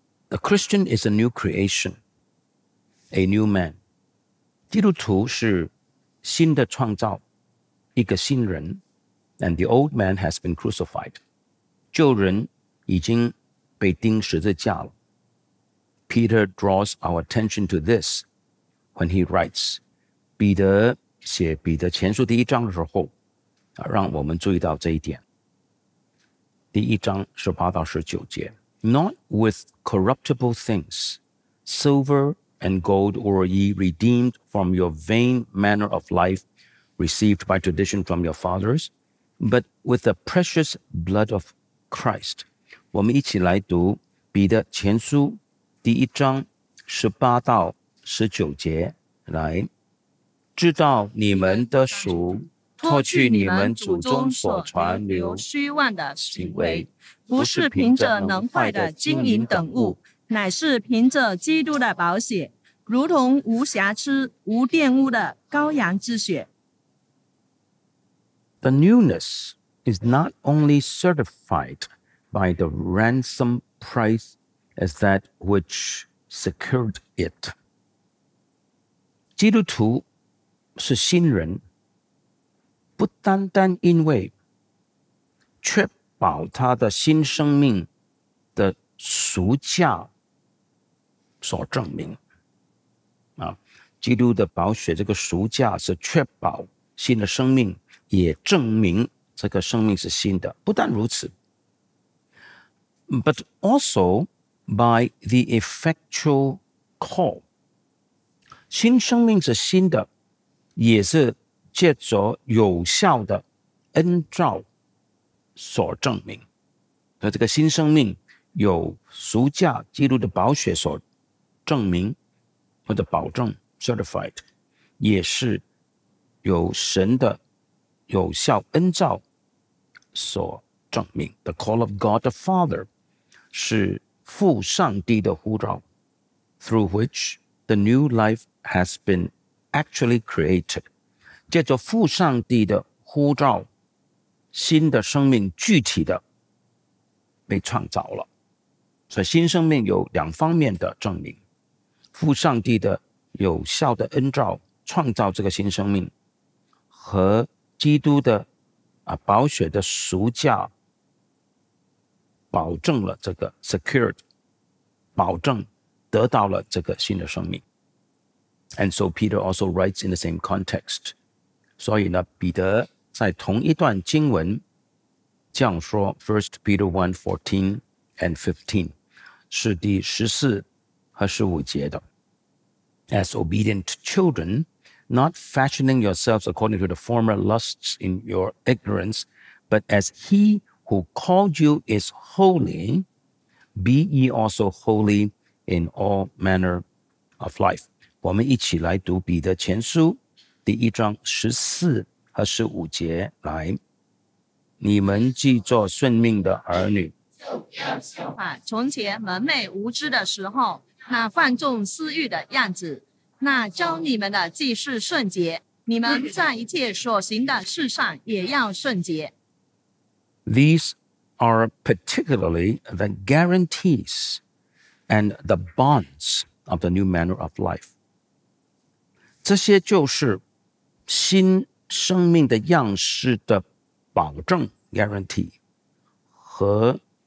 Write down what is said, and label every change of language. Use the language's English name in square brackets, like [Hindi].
[English] A Christian is a new creation, a new man. [Chinese] 基督徒是新的创造，一个新人。 [English] And the old man has been crucified. [Chinese] 旧人已经被钉十字架了。 [English] Peter draws our attention to this when he writes, [Chinese] 彼得写彼得前书第一章的时候，让我们注意到这一点。第一章十八到十九节。 [English] Not with corruptible things, silver and gold were ye redeemed from your vain manner of life, received by tradition from your fathers, but with the precious blood of Christ. [Chinese] 我们一起来读彼得前书第一章十八到十九节，来，知道你们的属脱去你们祖宗所传流虚妄的行为，不是凭着能坏的金银等物，乃是凭着基督的宝血，如同无瑕疵、无玷污的羔羊之血。 [English] The newness is not only certified by the ransom price as that which secured it. [Chinese] 基督徒是新人。不单单因为确保他的新生命的赎价所证明基督的宝血这个赎价是确保新的生命，也证明这个生命是新的。不但如此 [English] But also by the effectual call， [Chinese] 新生命是新的，也是借着有效的恩召所证明，所以这个新生命有赎价基督的宝血所证明或者保证 certified， 也是有神的有效恩召所证明。 [English] The call of God the Father [Chinese] 是父上帝的呼召 [English] ，through which the new life has been actually created。 [Chinese] 借着父上帝的呼召，新的生命具体的被创造了。所以新生命有两方面的证明，父上帝的有效的恩召创造这个新生命，和基督的宝血的赎价保证了这个 secured， 保证得到了这个新的生命。 [English] And so Peter also writes in the same context， [Chinese] 所以呢，彼得在同一段经文这样说 [English] ,First Peter 1:14 and 15, [Chinese] 是第十四和十五节的。 [English] As obedient children, not fashioning yourselves according to the former lusts in your ignorance, but as he who called you is holy, be ye also holy in all manner of life. [Chinese] 我们一起来读彼得前书。第一章十四和十五节，来，你们既作顺命的儿女，从前门楣无知的时候，那放纵私欲的样子，那教你们的既是圣洁，你们在一切所行的事上也要圣洁。 [English] These are particularly the guarantees and the bonds of the new manner of life. [Chinese] 这些就是新生命的样式的保证 guarantee 和